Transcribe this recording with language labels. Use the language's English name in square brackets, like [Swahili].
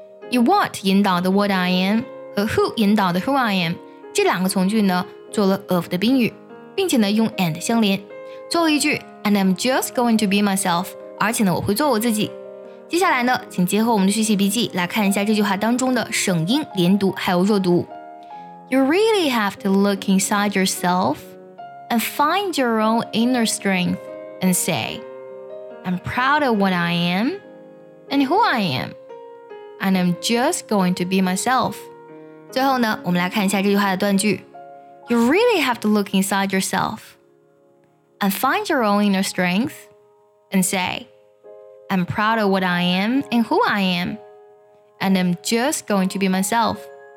[Chinese] You what 引导的 what I am 和 who 引导的 who I am，这两个从句呢做了 of 的宾语，并且呢用 and 相连。最后一句 And I'm just going to be myself，而且呢我会做我自己。接下来呢请结合我们的学习笔记来看一下这句话当中的省音连读还有弱读。 [English] You really have to look inside yourself and find your own inner strength and sayI'm proud of what I am and who I am, and I'm just going to be myself. [Chinese] 最后呢，我们来看一下这句话的断句。 [English] You really have to look inside yourself and find your own inner strength and say, I'm proud of what I am and who I am, and I'm just going to be myself.